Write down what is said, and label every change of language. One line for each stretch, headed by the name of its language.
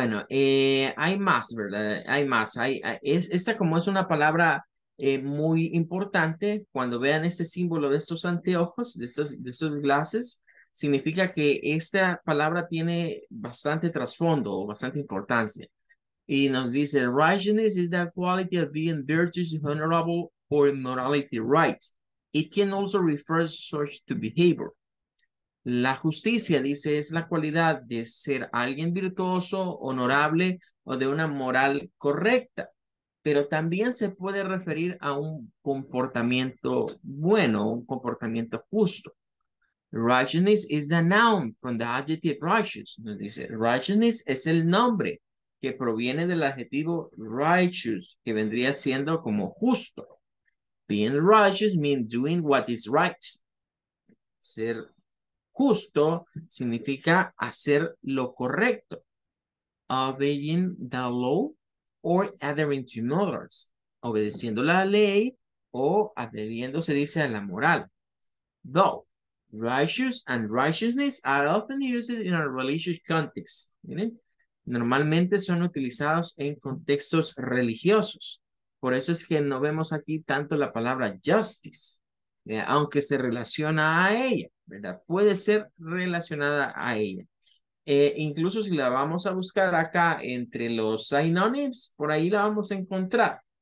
Spanish: Hay más, ¿verdad? Hay más. Esta como es una palabra muy importante, cuando vean este símbolo de estos anteojos, de estos glasses, significa que esta palabra tiene bastante trasfondo o bastante importancia. Y nos dice,
English: righteousness is the quality of being virtuous, honorable, or morality right. It can also refer such to behavior.
Spanish: La justicia, dice, es la cualidad de ser alguien virtuoso, honorable o de una moral correcta. Pero también se puede referir a un comportamiento bueno, un comportamiento justo.
English: Righteousness is the noun from the adjective righteous.
Spanish: Nos dice, righteousness es el nombre que proviene del adjetivo righteous, que vendría siendo como justo.
English: Being righteous means doing what is right.
Spanish: Ser justo significa hacer lo correcto.
English: Obeying the law or adhering to morals,
Spanish: obedeciendo la ley o adheriendo, se dice, a la moral.
English: Though, righteous and righteousness are often used in a religious context.
Spanish: ¿Miren? Normalmente son utilizados en contextos religiosos. Por eso es que no vemos aquí tanto la palabra justice, aunque se relaciona a ella, ¿verdad? Puede ser relacionada a ella. Incluso si la vamos a buscar acá entre los synonyms, por ahí la vamos a encontrar.